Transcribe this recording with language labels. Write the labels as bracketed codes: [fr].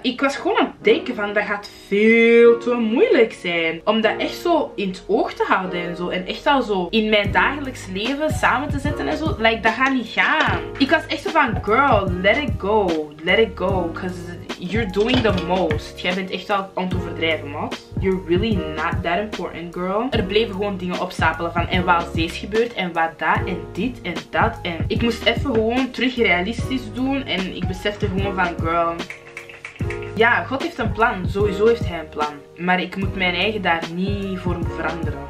[nl] Ik was gewoon aan het denken van, dat gaat veel te moeilijk zijn. Om dat echt zo in het oog te houden en zo. En echt al zo in mijn dagelijks leven samen te zetten en zo. Like, dat gaat niet gaan. Ik was echt zo van, girl, [en] let it go. Let it go. You're doing the most. [nl] Jij bent echt al aan het overdrijven, man. [en] You're really not that important, girl. [nl] Er bleven gewoon dingen opstapelen van en wat als deze gebeurt en wat dat en dit en dat. En ik moest even gewoon terug realistisch doen en ik besefte gewoon van, girl. Ja, God heeft een plan. Sowieso heeft hij een plan. Maar ik moet mijn eigen daar niet voor veranderen.